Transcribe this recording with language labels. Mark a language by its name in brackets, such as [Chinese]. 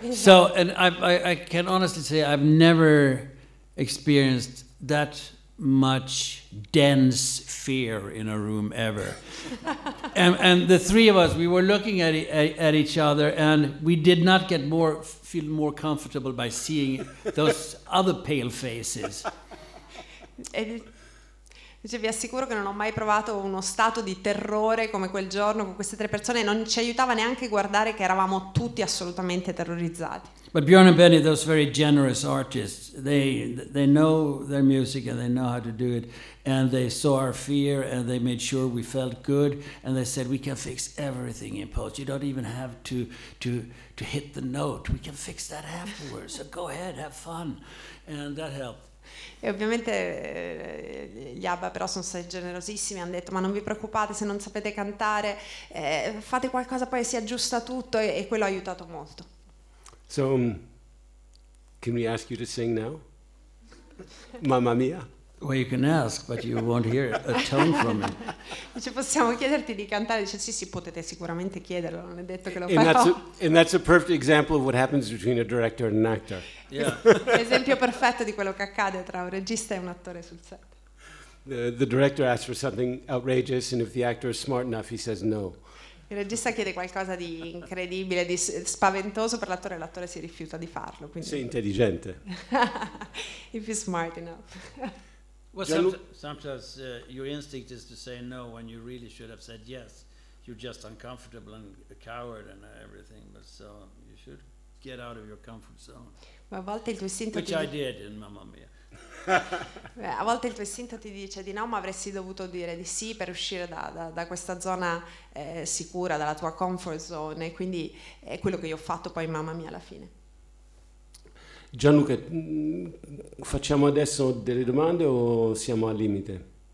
[English] So, and I can honestly say I've never experienced that much dense fear in a room ever. And the three of us, we were looking at each other, and we did not feel more comfortable by seeing those other pale faces. [Italian] Cioè, vi assicuro che non ho mai provato uno stato di terrore come quel giorno con queste tre persone, e non ci aiutava neanche guardare che eravamo tutti assolutamente terrorizzati. [English] But Björn and Benny, those very generous artists, they know their music and they know how to do it, and they saw our fear and they made sure we felt good, and they said we can fix everything in post. You don't even have to hit the note. We can fix that afterwards. So go ahead, have fun. And that helped. [Italian] E ovviamente gli ABBA però sono stati generosissimi, hanno detto ma non vi preoccupate se non sapete cantare, fate qualcosa poi si aggiusta tutto, e quello ha aiutato molto. [English] So, can we ask you to sing now? Mamma Mia? Well, you can ask, but you won't hear a tone from me. [Italian] Dice, possiamo chiederti di cantare? Dice, sì, potete sicuramente chiederlo, non è detto che lo farò. [English] And that's a perfect example of what happens between a director and an actor. Yeah. [Italian] Esempio perfetto di quello che accade tra un regista e un attore sul set. [English] The director asks for something outrageous, and if the actor is smart enough, he says no. [Italian] Il regista chiede qualcosa di incredibile, di spaventoso per l'attore, e l'attore si rifiuta di farlo. Quindi sei intelligente. [English] If he's smart enough. Well, sometimes your instinct is to say no when you really should have said yes. You're just uncomfortable and a coward and everything, but so you should get out of your comfort zone. [Italian] Ma a volte il tuo istinto, [English] which I did in Mamma Mia. [Italian] A volte il tuo istinto ti dice di no, ma avresti dovuto dire di sì per uscire da questa zona sicura, dalla tua comfort zone, e quindi è quello che io ho fatto poi in Mamma Mia alla fine. Gianluca, facciamo adesso delle domande o siamo al limite?